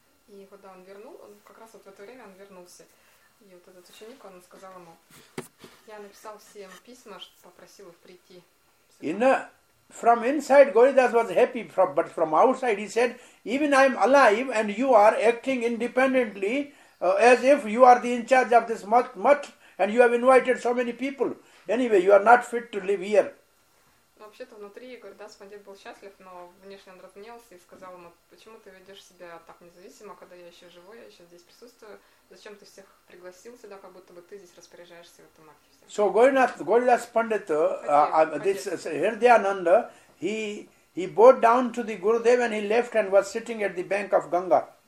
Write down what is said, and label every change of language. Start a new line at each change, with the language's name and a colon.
Russian: И когда он вернул, он как раз вот в это время он вернулся. И вот этот ученик, он сказал ему, я написал всем письма, попросил их прийти.
English: From inside, Gauridas was happy, but from outside, he said, even I am alive and you are acting independently, as if you are the in charge of this mutt and you have invited so many people. Anyway, you are not fit to live here.
Russian: Вообще-то внутри Гурдас Пандит был счастлив, но внешне он разгневался и сказал ему, почему ты ведешь себя так независимо, когда я еще живой, я еще здесь присутствую, зачем ты всех пригласил сюда, как будто бы ты здесь распоряжаешься в этом матке.
English: So Gauridas Pandit, this Hridayananda, he bowed down to the Gurudev and he left and was sitting at the bank of Ganga.